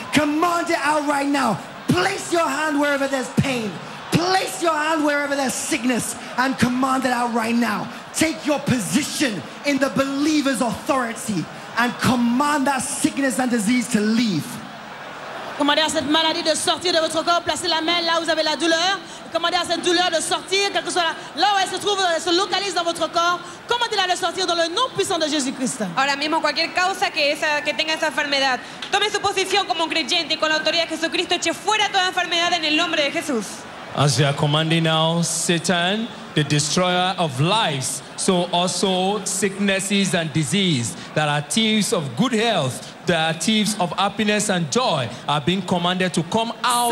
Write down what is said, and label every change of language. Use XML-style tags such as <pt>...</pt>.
<en>Command it out right now. Place your hand wherever there's pain. Place your hand wherever there's sickness and command it out right now. Take your position in the believer's authority and command that sickness and disease to leave.</en> <fr>Commandez à cette maladie de sortir de votre corps, placez la main là où vous avez la douleur. Commandez à cette douleur de sortir, quelque soit là où elle se trouve, elle se localise dans votre corps. Commandez-la de sortir dans le nom puissant de Jésus-Christ.</fr> <es>Ahora mismo, cualquier causa que tenga esa enfermedad, tome su posición como un creyente y con la autoridad de Jesucristo, eche fuera toda enfermedad en el nombre de Jesús.</es> <en>As we are commanding now, Satan, the destroyer of lives, so also sicknesses and disease that are thieves of good health, that are thieves of happiness and joy, are being commanded to come out</en>